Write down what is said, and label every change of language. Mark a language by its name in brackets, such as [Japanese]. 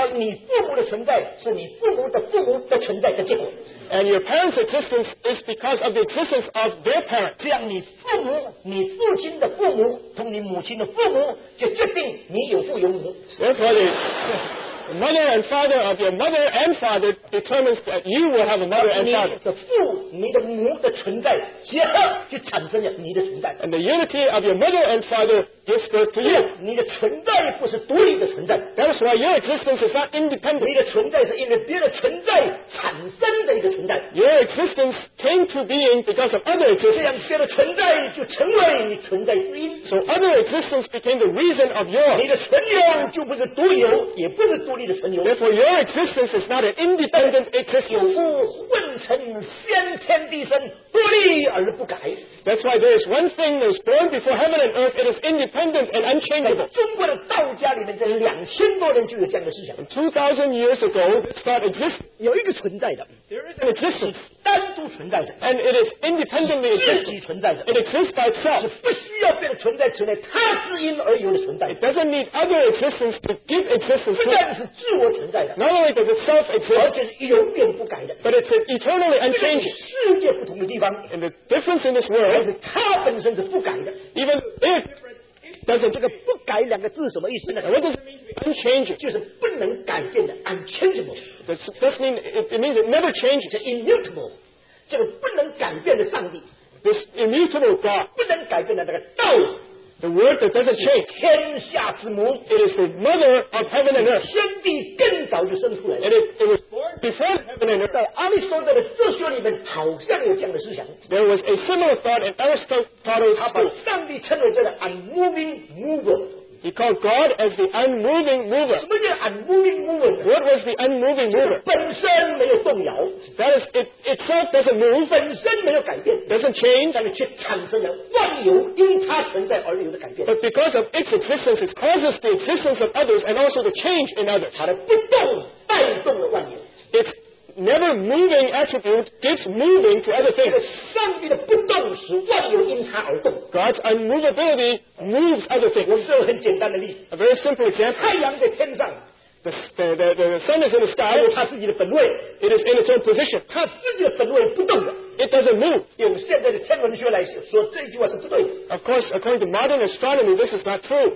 [Chinese] 而你父母的存在是你父母的父母的存在的结果。 [English] And your parents' existence is because of the existence of their parents。 [Chinese] 这样，你父母、你父亲的父母同你母亲的父母，就决定你有父有母。 [English] Therefore, the mother and father of your mother and father determines that you will have a mother and father。 [Chinese] 你的父、你的母的存在结合，就产生了你的存在。 [English] And the unity of your mother and father gives birth to you。 [Chinese] 你的存在不是独立的存在。 [English] That's why your existence is not independent。 [Chinese] 你的存在是因为别的存在产生的一个存在。 [English] Your existence came to being because of other existence。 [Chinese] 这样别的存在就成为你存在之因。 [English] So other existence became the reason of yours。 [Chinese] 你的存有就不是独有，也不是独立的存有。 [English] Therefore, your existence is not an independent existence。 [Chinese] 有物混成，先天地生，独立而不改。 [English] That's why there is one thing that is born before heaven and earth. It is independent and unchangeable. [Chinese] 在中国的道家里面，这2000多年就有这样的思想。 [English] 2000 years ago, this thought exists. [Chinese] 有一个存在的 [English] ，there is an existence. [Chinese] 单独存在的。 [English] And it is independently existing. [Chinese] 自己存在的。 [English] It exists by itself. [Chinese] 是不需要被存在之内，它是因而有的存在的。 [English] It doesn't need other existence to give existence. [Chinese] 不但是自我存在的。 [English] Not only does it self exist. [Chinese] 而且是永远不改的。 [English] But it's eternally unchanging. [Chinese] 世界不同的地方。 [English] And the difference in this world. [Chinese] 而且它本身是不改的。 [English] Even it. [Chinese] 但是这个不改两个字什么意思呢？ [English] What does it mean? Unchanging. [Chinese] 就是不能改变的 ， [English] unchangeable. That means it never changes. It's immutable. [Chinese] 这个不能改变的上帝 [English] ，this immutable God. [Chinese] 不能改变的那个道 [English] ，the word that doesn't change. [Chinese] 天下之母 [English] ，it is the mother of heaven and earth. [Chinese] 天地更早就生出来了 [English] ，and it was born before heaven and earth. [Chinese] 在阿里士多德的哲学里面，好像有这样的思想。 [English] There was a similar thought in Aristotle. [Chinese] 他把上帝称为这个 [English] unmoving mover. He called God as the unmoving mover. [Chinese] 什么叫 [English] unmoving mover? What was the unmoving mover? [Chinese] 本身没有动摇。 [English] That is it itself doesn't move. [Chinese] 本身没有改变。 [English] Doesn't change. [Chinese] 但是却产生了万有因它存在而有的改变。 [English] But because of its existence, it causes the existence of others and also the change in others. [Chinese] 它的不动带动了万有。 [English] It's never moving attribute gives moving to other things. [Chinese] 上帝的不动使万有因他而动。 [English] God's unmovability moves other things. [Chinese] 我是很简单的例子。 [English] A very simple example. [Chinese] 太阳在天上。 [English] The sun is in the sky. [Chinese] 有它自己的本位。 [English] It is in its own position. [Chinese] 它自己的本位不动的。 [English] It doesn't move. [Chinese] 用现在的天文学来说，这句话是不对的。 [English] Of course, according to modern astronomy, this is not true.